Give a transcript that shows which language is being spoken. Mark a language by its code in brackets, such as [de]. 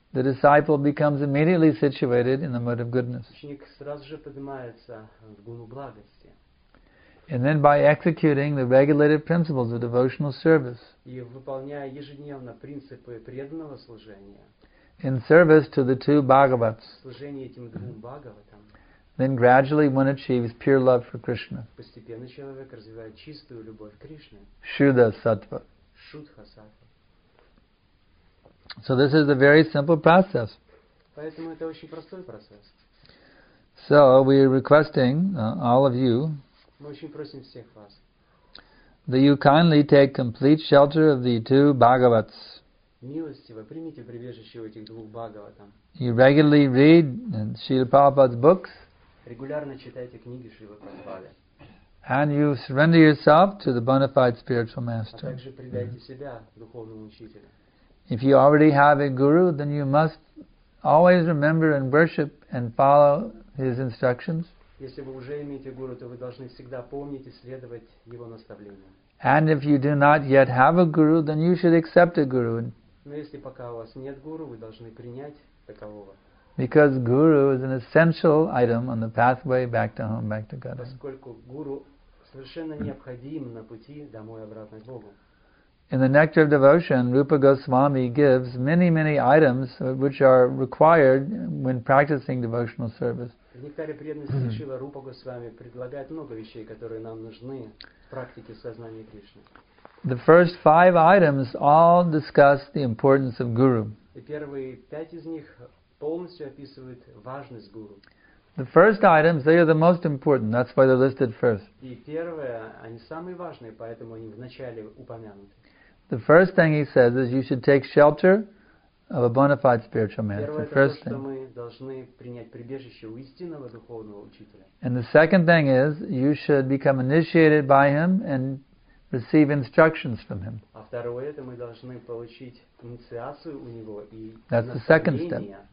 [en] The disciple becomes immediately situated in the mode of goodness. [ru] Ученик сразу же поднимается в гуну благости. [en] And then by executing the regulated principles of devotional service. [ru] И выполняя ежедневно принципы преданного служения. [en] In service to the two Bhagavats. [ru] Служение этим двум Бхагаватам. [en] Then gradually one achieves pure love for Krishna. [ru] Постепенно человек развивает чистую любовь к Кришне. [sa] Шудха саттва. Шудха саттва. [en] So this is a very simple process. [ru] Поэтому это очень простой процесс. [en] So we are requesting all of you. [ru] Мы очень просим всех вас. [en] That you kindly take complete shelter of the two Bhagavats. [ru] Милостиво примите прибежище у этих двух Бхагаватам. [en] You regularly read Srila Prabhupada's books. [ru] Регулярно читайте книги Шрилы Прабхупады. [en] And you surrender yourself to the bona fide spiritual master. [ru] А также предайте себя духовному учителю. [en] If you already have a guru, then you must always remember and worship and follow his instructions. [ru] Если вы уже имеете гуру, то вы должны всегда помнить и следовать его наставлениям. [en] And if you do not yet have a guru, then you should accept a guru. [ru] Но если пока у вас нет гуру, вы должны принять такового. [en] Because guru is an essential item on the pathway back to home, back to God. [ru] Поскольку гуру совершенно необходим на пути домой обратно к Богу. [en] In the Nectar of Devotion, Rupa Goswami gives many, many items which are required when practicing devotional service. [ru] В Нектаре преданности Шрила Рупа Госвами предлагает много вещей, которые нам нужны в практике сознания Кришны. [en] The first five items all discuss the importance of guru. [ru] И первые пять из них полностью описывают важность гуру. [en] The first items, they are the most important. That's why they're listed first. [ru] И первые, они самые важные, поэтому они вначале упомянуты. [en] The first thing he says is you should take shelter of a bona fide spiritual man. It's the first thing. And the second thing is, you should become initiated by him and receive instructions from him. That's the second step.